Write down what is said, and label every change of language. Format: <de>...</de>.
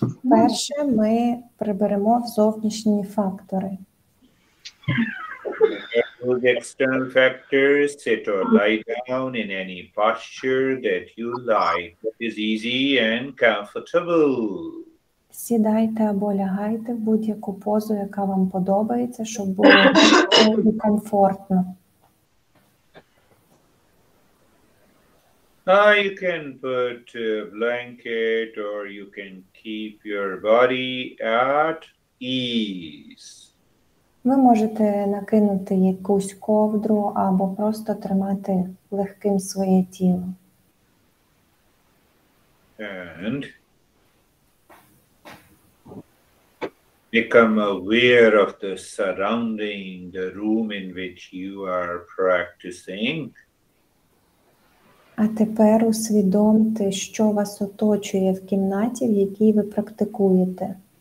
<uk>Перше, ми приберемо зовнішні фактори.</uk> <en>Those external factors, sit or lie down in any posture that you like. It is easy and comfortable.</en> <uk>Сідайте або лягайте в будь-яку позу, яка вам подобається, щоб було і комфортно.</uk> <en>You can put a blanket or you can keep your body at ease.</en> <uk>Ви можете накинути якусь ковдру або просто тримати легким своє тіло.</uk> <en>and become aware of the surrounding, the room in which you are practicing.</en> <uk>А тепер усвідомте, що вас оточує в кімнаті, в якій ви практикуєте.</uk>